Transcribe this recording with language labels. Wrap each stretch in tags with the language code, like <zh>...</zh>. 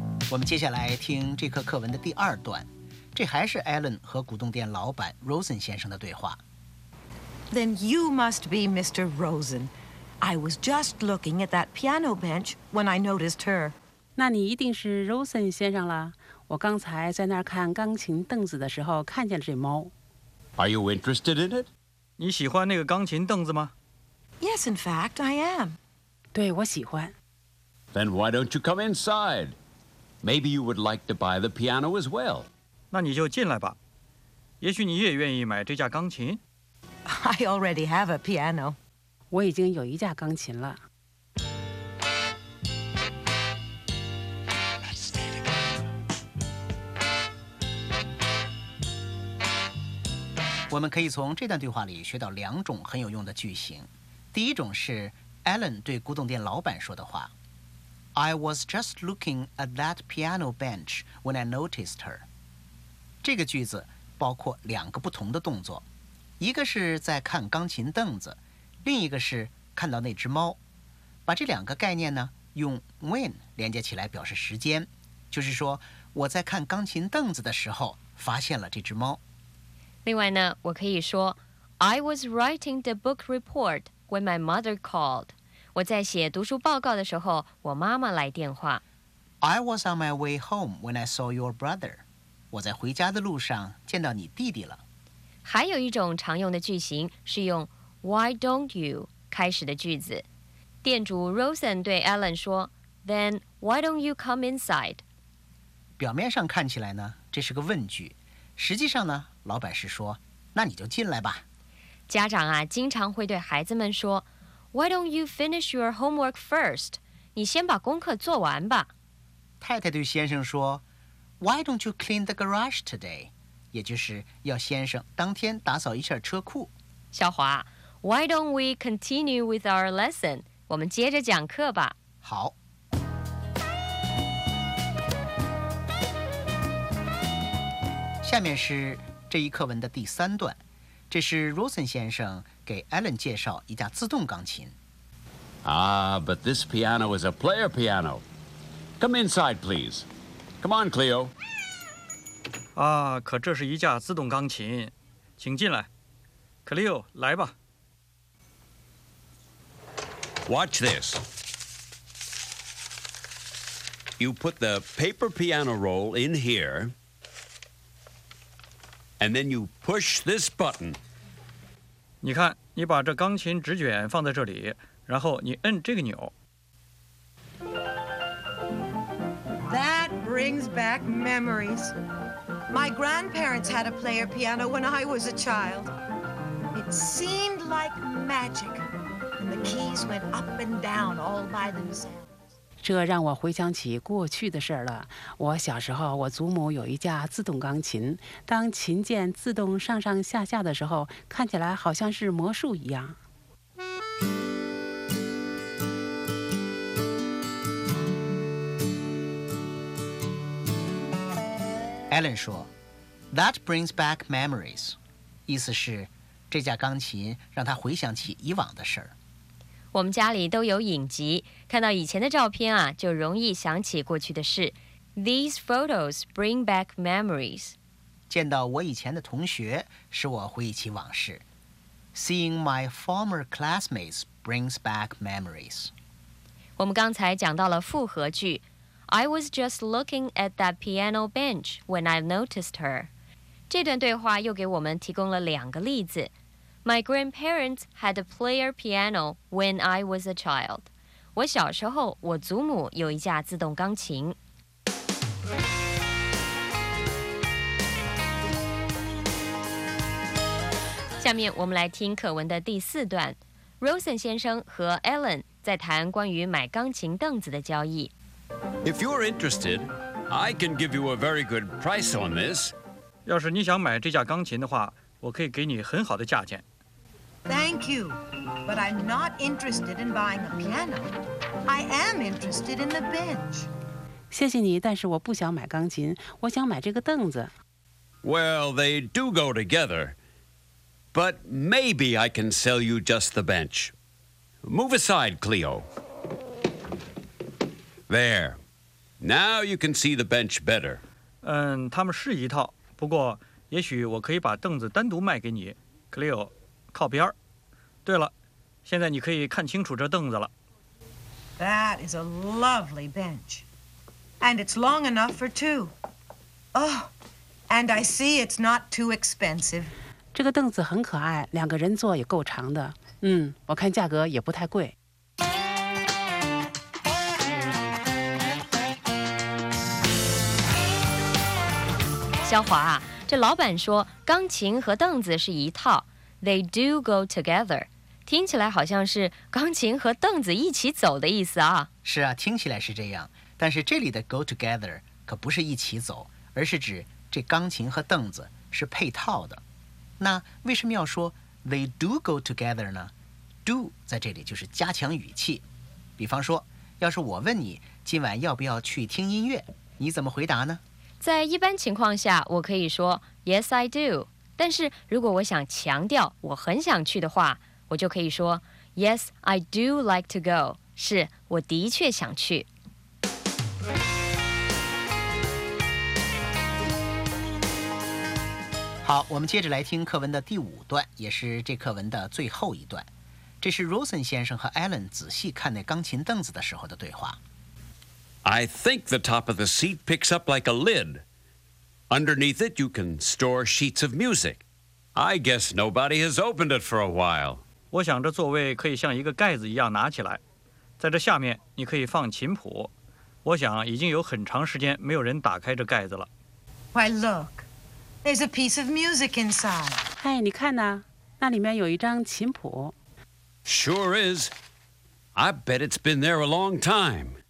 <zh>我们接下来听这课课文的第二段。这还是 Alan 和古董店老板 Rosen 先生的对话。</zh> <en>Then you must be Mr. Rosen. I was just looking at that piano bench when I noticed her.</en> <zh>那你一定是 Rosen 先生了。我刚才在那儿看钢琴凳子的时候看见了这猫。</zh> <en>Are you interested in it?</en> <zh>你喜欢那个钢琴凳子吗？</zh> <en>Yes, in fact, I am.</en> <zh>对，我喜欢。</zh> <en>Then why don't you come inside? Maybe you would like to buy the piano as well.</en> <zh>那你就进来吧。也许你也愿意买这架钢琴。</zh> <en>I already have a piano.</en> <zh>我已经有一架钢琴了。我们可以从这段对话里学到两种很有用的句型。第一种是 Alan 对古董店老板说的话。 I was just looking at that piano bench when I noticed her. 这个句子包括两个不同的动作，一个是在看钢琴凳子，另一个是看到那只猫。把这两个概念呢，用 when 连接起来表示时间，就是说我在看钢琴凳子的时候发现了这只猫。另外呢，我可以说</zh> <en>I was writing the book report when my mother called.</en> <zh>我在写读书报告的时候，我妈妈来电话。</zh> <en>I was on my way home when I saw your brother.</en> <zh>我在回家的路上见到你弟弟了。还有一种常用的句型是用</zh> <en>Why don't you</en> <zh>开始的句子。店主 Rosen 对 Alan 说</zh> <en>Then why don't you come inside?</en> <zh>表面上看起来呢，这是个问句。实际上呢，老板是说那你就进来吧。家长啊，经常会对孩子们说</zh> <en>Why don't you finish your homework first?</en> <zh>你先把功课做完吧。太太对先生说</zh> <en>Why don't you clean the garage today?</en> <zh>也就是要先生当天打扫一下车库。</zh> <en>小华 Why don't we continue with our lesson?</en> <zh>我们接着讲课吧。好。下面是这一课文的第三段。这是 Rosen 先生给 Alan 介绍一架自动钢琴。</zh> <en>Ah, but this piano is a player piano. Come inside, please. Come on, Cleo.</en> <zh>啊，可这是一架自动钢琴，请进来。 Cleo, 来吧。</zh> <en>Watch this. You put the paper piano roll in here, and then you push this button.</en> <zh>你看，你把这钢琴纸卷放在这里，然后你摁这个钮。</zh> <en>That brings back memories. My grandparents had a player piano when I was a child. It seemed like magic, and the keys went up and down all by themselves.</en> <zh>这让我回想起过去的事了。我小时候，我祖母有一架自动钢琴，当琴键自动上上下下的时候，看起来好像是魔术一样。 Alan 说 ，</zh> <en>That brings back memories，</en> <zh>意思是这架钢琴让他回想起以往的事儿。我们家里都有影集，看到以前的照片啊，就容易想起过去的事。</zh> <en>These photos bring back memories.</en> <zh>见到我以前的同学，使我回忆起往事。</zh> <en>Seeing my former classmates brings back memories.</en> <zh>我们刚才讲到了复合句。</zh> <en>I was just looking at that piano bench when I noticed her.</en> <zh>这段对话又给我们提供了两个例子。</zh> <en>My grandparents had a player piano when I was a child.</en> <zh>我小时候，我祖母有一架自动钢琴。下面我们来听课文的第四段。Rosen 先生和 Alan 在谈关于买钢琴凳子的交易。</zh> <en>If you're interested, I can give you a very good price on this.</en> <zh>要是你想买这架钢琴的话，我可以给你很好的价钱。</zh> <en>Thank you, but I'm not interested in buying a piano. I am interested in the bench.</en> <zh>谢谢你，但是我不想买钢琴，我想买这个凳子。</zh> <en>Well, they do go together, but maybe I can sell you just the bench. Move aside, Cleo. There. Now you can see the bench better.</en> <zh>嗯，他们是一套，不过也许我可以把凳子单独卖给你</zh> <en>Cleo， 靠边。</en> <zh>对了，现在你可以看清楚这凳子了。</zh> <en>That is a lovely bench. And it's long enough for two. Oh, and I see it's not too expensive.</en> <zh>这个凳子很可爱，两个人坐也够长的。嗯，我看价格也不太贵。小华啊，这老板说钢琴和凳子是一套，</zh> <en>They do go together，</en> <zh>听起来好像是钢琴和凳子一起走的意思啊。是啊，听起来是这样，但是这里的</zh> <en>go together</en> <zh>可不是一起走，而是指这钢琴和凳子是配套的。那为什么要说</zh> <en>They do go together</en> <zh>呢？ Do 在这里就是加强语气。比方说，要是我问你今晚要不要去听音乐，你怎么回答呢？在一般情况下我可以说</zh> <en>Yes, I do，</en> <zh>但是如果我想强调我很想去的话，我就可以说</zh> <en>Yes, I do like to go，</en> <zh>是我的确想去。好，我们接着来听课文的第五段，也是这课文的最后一段。这是 Rosen 先生和 Alan 仔细看那钢琴凳子的时候的对话。</zh> <en>I think the top of the seat picks up like a lid. Underneath it, you can store sheets of music. I guess nobody has opened it for a while.</en> <zh>我想这座位可以像一个盖子一样拿起来，在这下面你可以放琴谱。我想已经有很长时间没有人打开这盖子了。</zh> <en>Why look? There's a piece of music inside.</en> <zh>哎，你看呐，那里面有一张琴谱。</zh> <en>Sure is. I bet it's been there a long time.</en>